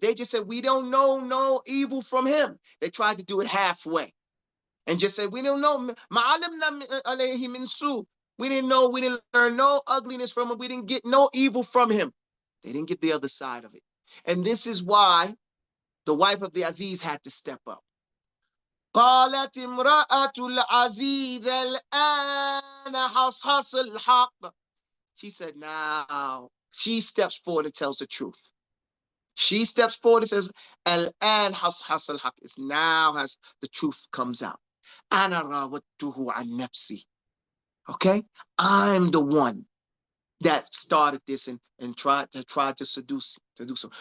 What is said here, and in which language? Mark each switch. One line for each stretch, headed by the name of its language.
English: They just said, we don't know no evil from him. They tried to do it halfway and just said, we don't know.
Arabic: Ma'alimna alayhi min su.
English: We didn't know. We didn't learn no ugliness from him. We didn't get no evil from him. They didn't get the other side of it. And this is why the wife of the Aziz had to step up.
Arabic: قالت امرأة العزيز الآن حصحص الحق.
English: She said, now she steps forward and tells the truth. She steps forward and says,
Arabic: الآن حصحص الحق.
English: It's now as the truth comes out.
Arabic: أنا راودته عن نفسي. Okay?
English: I'm the one that started this and tried to seduce him.